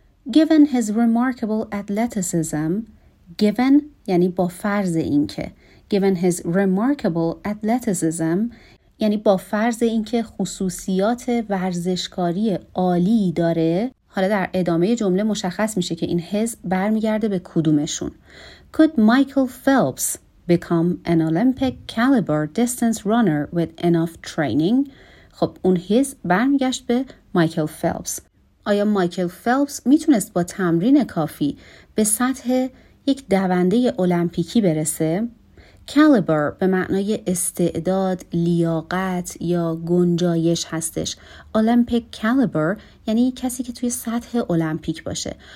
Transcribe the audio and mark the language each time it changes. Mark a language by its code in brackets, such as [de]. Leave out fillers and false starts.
[en] Given his remarkable athleticism، [fa] given یعنی با فرض این که، [en] given his remarkable athleticism [fa] یعنی با فرض این که خصوصیات ورزشکاری عالی داره. حالا در ادامه جمله مشخص میشه که این his برمیگرده به کدومشون. [en] Could Michael Phelps become an Olympic caliber distance runner with enough training؟ [fa] خب اون his برمیگشت به مایکل فلپس. آیا مایکل فلپس میتونست با تمرین کافی به سطح یک دونده المپیکی برسه؟ کالیبر به معنای استعداد، لیاقت یا گنجایش هستش. المپیک کالیبر یعنی کسی که توی سطح المپیک باشه.